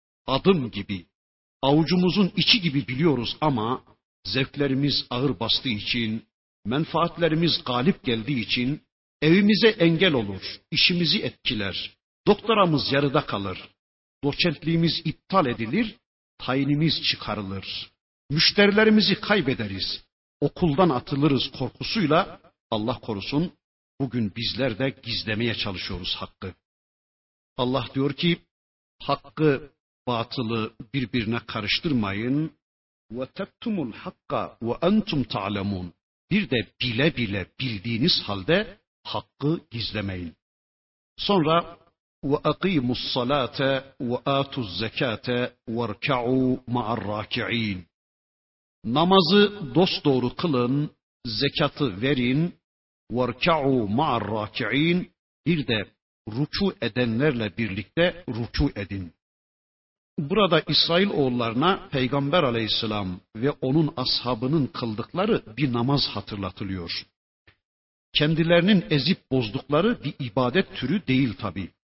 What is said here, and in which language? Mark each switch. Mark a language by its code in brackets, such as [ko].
[tr] Adım gibi, avucumuzun içi gibi biliyoruz ama, zevklerimiz ağır bastığı için, menfaatlerimiz galip geldiği için, evimize engel olur, işimizi etkiler, doktoramız yarıda kalır, doçentliğimiz iptal edilir, tayinimiz çıkarılır, müşterilerimizi kaybederiz, okuldan atılırız korkusuyla, Allah korusun, bugün bizler de gizlemeye çalışıyoruz hakkı. Allah diyor ki, hakkı, batılı birbirine karıştırmayın. [ar] وَتَكْتُمُ الْحَقَّ وَاَنْتُمْ تَعْلَمُونَ [tr] Bir de bile bile bildiğiniz halde hakkı gizlemeyin. [ar] Sonra, وَاَقِيمُ الصَّلَاةَ وَاَتُوا الزَّكَاةَ وَارْكَعُوا مَعَ الرَّاكِعِينَ [tr] Namazı dosdoğru kılın, zekatı verin, [ar] وَارْكَعُوا مَعَ الرَّاكِعِينَ [tr] bir de rükû edenlerle birlikte rükû edin. Burada İsrail oğullarına Peygamber aleyhisselam ve onun ashabının kıldıkları bir namaz hatırlatılıyor. Kendilerinin ezip bozdukları bir ibadet türü değil tabi.